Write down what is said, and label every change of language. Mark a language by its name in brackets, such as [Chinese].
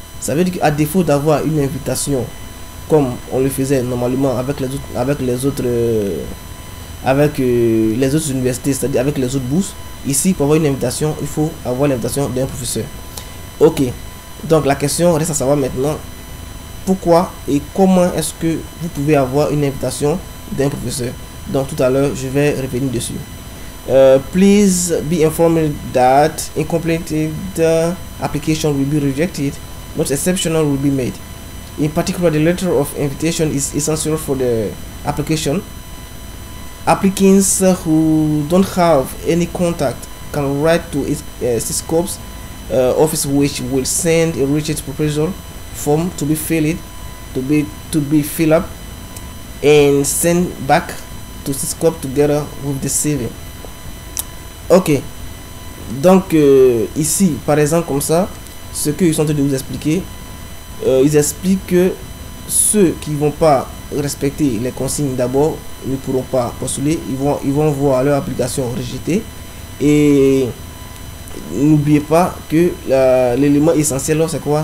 [French] Ça veut dire qu'à défaut d'avoir une invitation comme on le faisait normalement avec les autres, les autres universités, c'est-à-dire avec les autres bourses, ici pour avoir une invitation il faut avoir l'invitation d'un professeur. Ok, donc la question reste à savoir maintenant, pourquoi et comment est-ce que vous pouvez avoir une invitation d'un professeur? Donc tout à l'heure, je vais revenir dessus. [English] Please be informed that incompleted application will be rejected, but exceptional will be made. In particular, the letter of invitation is essential for the application. Applicants who don't have any contact can write to Cisco's office, which will send a rigid proposal form to be filled filled up and send back to Cisco together with the CV. [French] Ok, donc ici par exemple comme ça, ce qu'ils sont en train de vous expliquer, ils expliquent que ceux qui vont pas respecter les consignes d'abord ne pourront pas postuler. Ils vont voir leur application rejetée. Et n'oubliez pas que l'élément essentiel, c'est quoi?